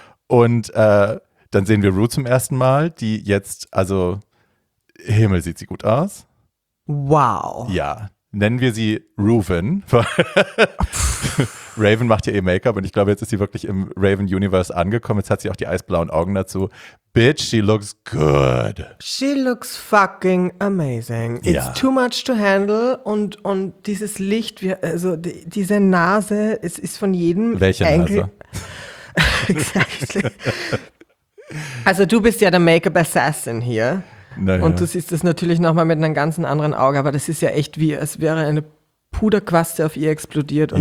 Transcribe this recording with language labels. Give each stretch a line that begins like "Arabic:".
German: Und dann sehen wir Rue zum ersten Mal, die jetzt, also Himmel, sieht sie gut aus. Wow. Ja, nennen wir sie Reuven. Raven macht ja ihr Make-up und ich glaube, jetzt ist sie wirklich im Raven-Universe angekommen. Jetzt hat sie auch die eisblauen Augen dazu.
English: Bitch, she looks good. She looks fucking amazing.
German: Ja.
English: It's too much to handle
German: und dieses Licht, also diese Nase, es ist von jedem Welche
English: Angle.
German: Nase? Also du bist ja der Make-up-Assassin hier. Naja. Und du siehst das natürlich nochmal mit einem ganz anderen Auge, aber das ist ja echt wie, als wäre eine Puderquaste auf ihr explodiert und